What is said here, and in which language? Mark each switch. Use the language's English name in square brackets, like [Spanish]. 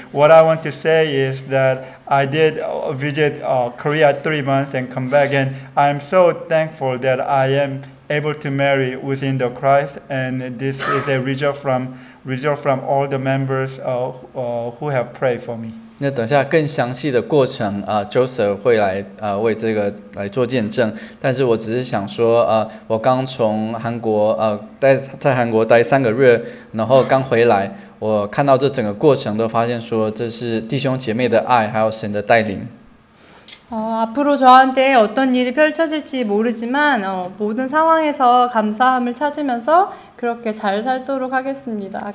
[English] What I want to say is that I did visit Korea 3 months and come back, and I'm so thankful that I am able to marry within the Christ, and this is a result from all the members who have prayed for me. [Chinese] 那等下更详细的过程，Joseph 会来为这个来做见证。但是我只是想说，我刚从韩国待在韩国待3个月，然后刚回来，我看到这整个过程都发现说，这是弟兄姐妹的爱，还有神的带领。 [Korean] 앞으로 저한테 어떤 일이 펼쳐질지 모르지만 모든 상황에서 감사함을 찾으면서 그렇게 잘 살도록 하겠습니다.